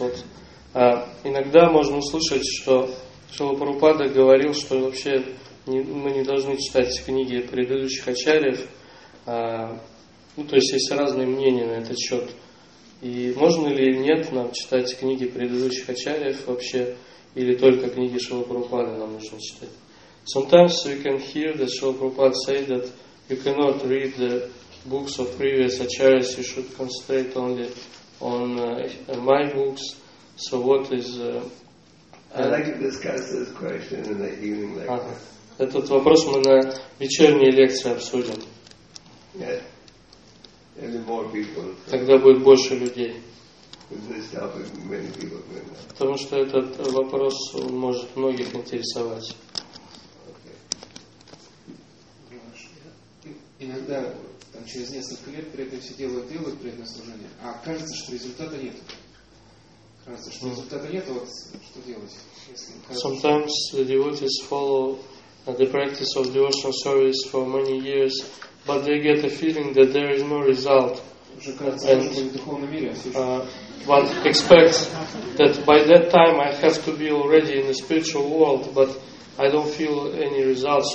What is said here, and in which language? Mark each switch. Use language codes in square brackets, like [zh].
[ru] Вот, иногда можно услышать, что Шрила Прабхупада говорил, что вообще мы не должны читать книги предыдущих ачарьев. То есть есть разные мнения на этот счет. И можно ли нет нам читать книги предыдущих ачарьев вообще, или только книги Шрила Прабхупады нам нужно читать? [en] Sometimes we can hear that Шрила Прабхупада say that you cannot read the books of previous acharyas, you should concentrate only on my books. So what is... I'd like to discuss this question in the evening lecture. [ru] Этот вопрос мы на вечерней лекции обсудим. [en] Yeah. More people. [ru] Тогда будет больше людей. [en] This topic many people know. [ru] Потому что этот вопрос может многих интересовать. [en] Okay. [ru] иногда там, через несколько лет при этом все делают преданное служение, а кажется, что результата нет. Кажется, что результата нет, вот что делать? [en] Sometimes the devotees follow the practice of devotional service for many years, but they get a feeling that there is no result. And one expects that by that time I have to be already in the spiritual world, but I don't feel any results.